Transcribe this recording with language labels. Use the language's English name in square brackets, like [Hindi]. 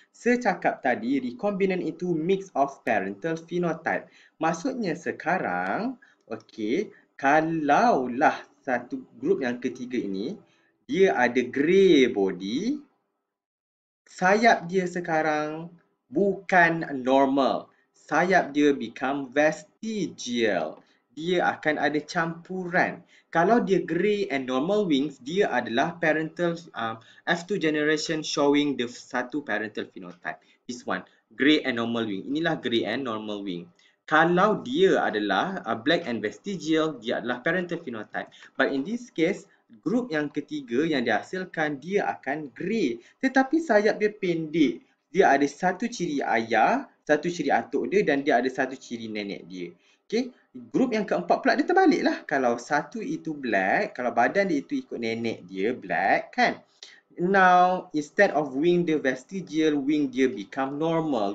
[Malay] Secakap tadi, [English] recombinant itu mix of parental phenotype. [Malay] Maksudnya sekarang, okay, kalaulah satu group yang ketiga ini, dia ada grey body Sayap dia sekarang bukan normal. Sayap dia become vestigial. Dia akan ada campuran. Kalau dia [English] grey and normal wings, [Malay] dia adalah [English] parental F2 generation showing the [Malay] satu parental phenotype. [English] This one, grey and normal wing. [Malay] Inilah [English] grey and normal wing. [Malay] Kalau dia adalah black and vestigial, dia adalah parental phenotype. [English] But in this case, [Malay] group yang ketiga yang dihasilkan, dia akan grey. Tetapi sayap dia pendek. Dia ada satu ciri ayah, satu ciri atuk dia dan dia ada satu ciri nenek dia. Okay. Grup yang keempat pula dia terbaliklah. Kalau satu itu black, kalau badan dia itu ikut nenek dia black kan. [English] Now, instead of wing the vestigial, wing dia become normal.